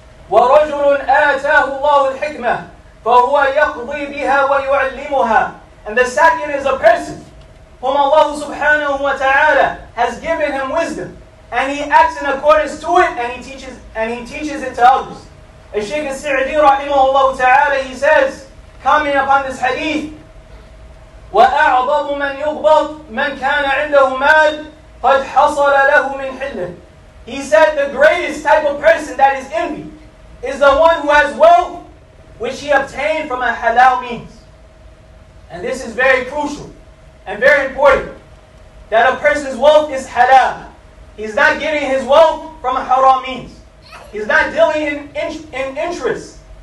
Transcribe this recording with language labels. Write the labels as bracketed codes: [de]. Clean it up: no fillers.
[ar] وَرَجُلٌ آتَاهُ اللَّهُ الْحِكْمَةِ فَهُوَ يَقْضِي بِهَا وَيُعَلِّمُهَا. [en] And the second is a person whom Allah subhanahu wa ta'ala has given him wisdom, and he acts in accordance to it, and he teaches it to others. As Shaykh al-Sa'di rahimahullah ta'ala, he says, coming upon this hadith, [ar] وَأَعْضَبُ مَنْ يُغْبَطْ مَنْ كَانَ عِنْدَهُ مَالْ قَدْ حَصَلَ لَهُ مِنْ حِلَّةِ. [en] He said the greatest type of person that is envy is the one who has wealth which he obtained from a halal means. And this is very crucial and very important, that a person's wealth is halal. He's not getting his wealth from a haram means. He's not dealing in interest.